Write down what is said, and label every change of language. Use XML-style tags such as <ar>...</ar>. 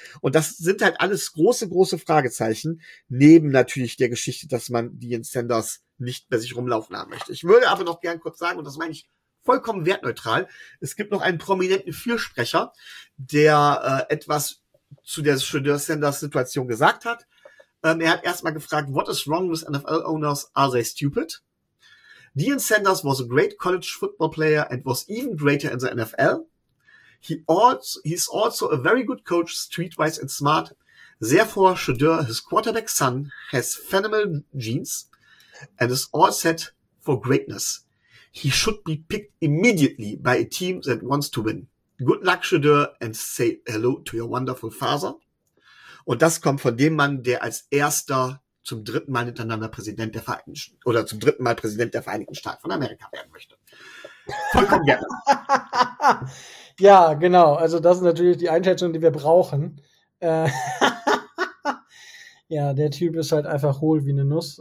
<de>Und das sind halt alles große, große Fragezeichen. Neben natürlich der Geschichte, dass man Deion Sanders nicht bei sich rumlaufen haben möchte. Ich würde aber noch gern kurz sagen, und das meine ich vollkommen wertneutral, es gibt noch einen prominenten Fürsprecher, der etwas zu der Shedeur Sanders Situation gesagt hat. Er hat erstmal gefragt,</de> <en>what is wrong with NFL owners? Are they stupid? Deion Sanders was a great college football player and was even greater in the NFL. He's also a very good coach, streetwise and smart. Therefore, Shedeur, his quarterback son, has phenomenal genes and is all set for greatness. He should be picked immediately by a team that wants to win. Good luck, Shedeur, and say hello to your wonderful father.</en> <de>Und das kommt von dem Mann, der als erster zum dritten Mal hintereinander Präsident der Vereinigten Staaten von Amerika werden möchte. Vollkommen gerne. Ja, genau. Also das ist natürlich die Einschätzung, die wir brauchen. Ja, der Typ ist halt einfach hohl wie eine Nuss.</de>